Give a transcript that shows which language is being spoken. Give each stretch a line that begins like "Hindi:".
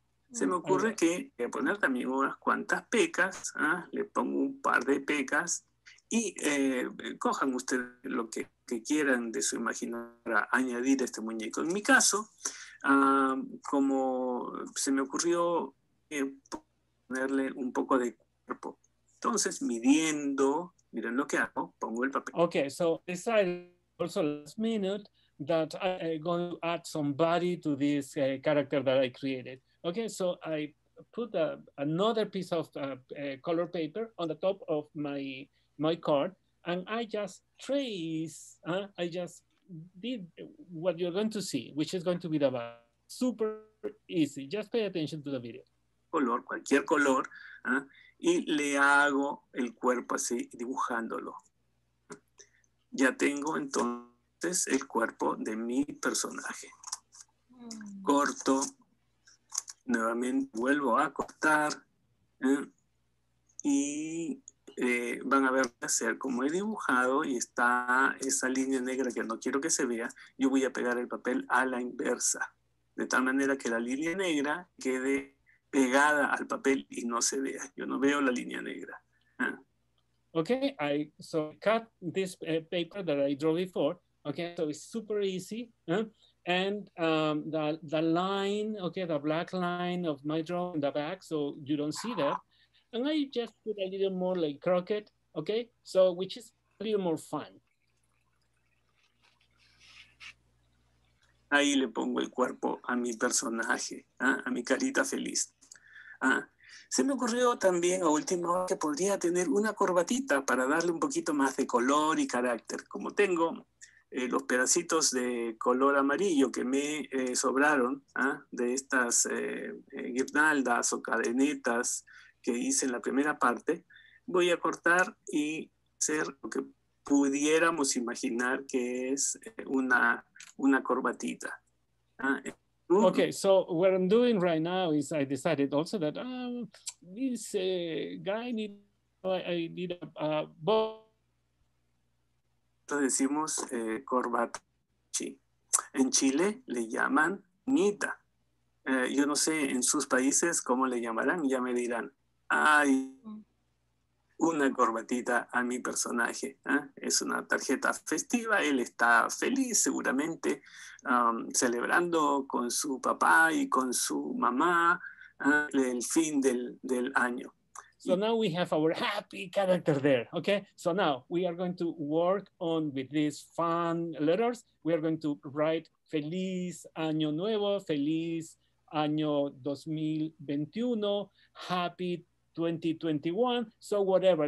Spanish: Se me ocurre que voy a poner también unas cuantas pecas, le pongo un par de pecas. Y cojan ustedes lo que quieran de su imaginación para añadir este muñeco. En mi caso, como se me ocurrió ponerle un poco de cuerpo. Entonces, midiendo, miren lo que hago, pongo el papel.
English: Okay, so decided also last minute that I'm going to add some body to this character that I created. Okay, so I put another piece of color paper on the top of my card, and I just trace, I just did what you're going to see, which is going to be the bar. Super easy, just pay attention to the video.
Spanish: Color, cualquier color, y le hago el cuerpo así, dibujándolo. Ya tengo entonces el cuerpo de mi personaje. Corto, nuevamente vuelvo a cortar, y van a ver hacer como he dibujado y está esa línea negra que no quiero que se vea. Yo voy a pegar el papel a la inversa, de tal manera que la línea negra quede pegada al papel y no se vea. Yo no veo la línea negra.
English: Okay, so cut this paper that I drew before. Okay, so it's super easy. And the line, okay, the black line of my draw in the back, so you don't see that. And I just put a little more like crooked, okay? So, which is a little more fun.
Spanish: Ahí le pongo el cuerpo a mi personaje, a mi carita feliz. Se me ocurrió también a última hora que podría tener una corbatita para darle un poquito más de color y carácter. Como tengo los pedacitos de color amarillo que me sobraron de estas guirnaldas o cadenetas que hice en la primera parte, voy a cortar y hacer lo que pudiéramos imaginar que es una corbatita.
English: Okay, so what I'm doing right now is I decided also that this guy need a bow.
Spanish: Entonces decimos corbachi. En Chile le llaman mita. Yo no sé en sus países cómo le llamarán, ya me dirán. Ay, una corbatita a mi personaje. Es una tarjeta festiva. Él está feliz, seguramente, celebrando con su papá y con su mamá el fin del año.
English: So now we have our happy character there, okay? So now we are going to work on with these fun letters. We are going to write
Spanish: Feliz Año Nuevo, Feliz Año 2021,
English: Happy 2021, so whatever.